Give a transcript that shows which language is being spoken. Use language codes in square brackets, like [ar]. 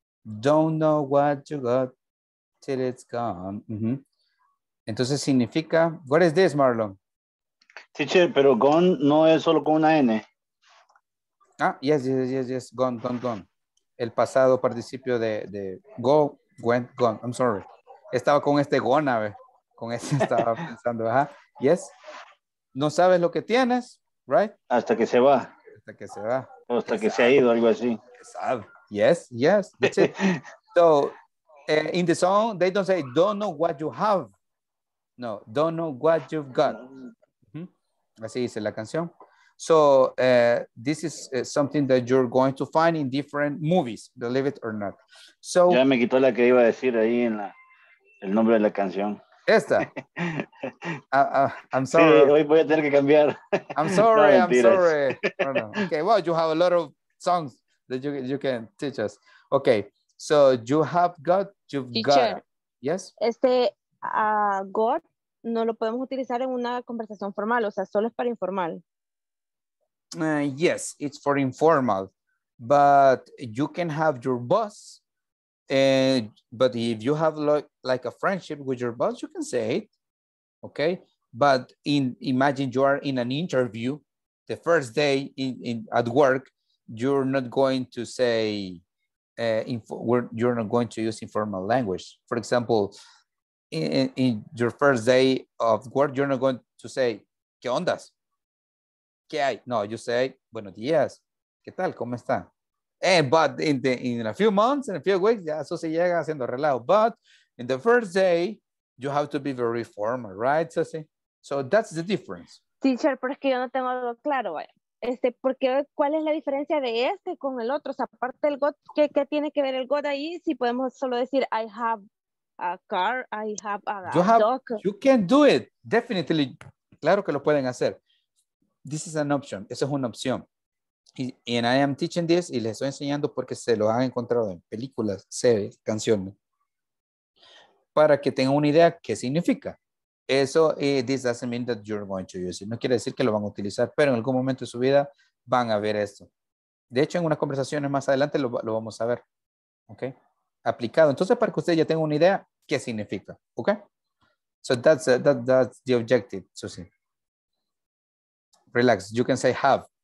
[en] Don't know what you got till it's gone. Mm-hmm. [es] Entonces significa, [en] what is this, Marlon? [es] Teacher, pero gone no es solo con una N. [en] Ah, yes, gone. [es] El pasado participio de [en] go, went, gone. I'm sorry. [es] Estaba con este gona, con ese estaba pensando, ajá. Yes. No sabes lo que tienes, right? Hasta que se va. Hasta que se ha ido, algo así. [en] Yes, that's it. So, in the song, they don't say, don't know what you have. No, don't know what you've got. Mm-hmm. [es] Así dice la canción. [en] So, this is something that you're going to find in different movies, believe it or not. So, [es] ya me quitó la que iba a decir ahí en la, el nombre de la canción. [en] Esta. I'm sorry. [es] Sí, hoy voy a tener que cambiar. [en] I'm sorry. No. Okay, well, you have a lot of songs that you can teach us. Okay, so you have got, you've teacher, got. Yes? [es] Este got no lo podemos utilizar en una conversación formal, o sea, solo es para informal. [en] Yes, it's for informal. But you can have your boss. But if you have like a friendship with your boss, you can say it, okay? But imagine you are in an interview, the first day in at work, you're not going to say, you're not going to use informal language. For example, in your first day of work, you're not going to say, [es] ¿qué ondas? ¿Qué hay? [en] No, you say, [es] buenos días, ¿qué tal? ¿Cómo está? [en] But in a few weeks, yeah, so [es] se llega haciendo relajo. [en] But in the first day, you have to be very formal, right, Ceci? So that's the difference. [es] Teacher, pero es que yo no tengo algo claro, vaya. Porque ¿cuál es la diferencia de este con el otro? O sea, aparte del got, ¿qué tiene que ver el got ahí? Si podemos solo decir, [en] I have a car, I have a dog. You can do it, definitely. [es] Claro que lo pueden hacer. [en] This is an option, [es] eso es una opción. [en] And I am teaching this [es] y les estoy enseñando porque se lo han encontrado en películas, series, canciones. Para que tengan una idea qué significa. [en] Eso, this doesn't mean that you're going to use it. [es] No quiere decir que lo van a utilizar, pero en algún momento de su vida van a ver esto. De hecho, en unas conversaciones más adelante lo vamos a ver. ¿Ok? Aplicado. Entonces, para que ustedes ya tengan una idea qué significa. [en] ¿Ok? So that's the objective, Susie. Relax. You can say have.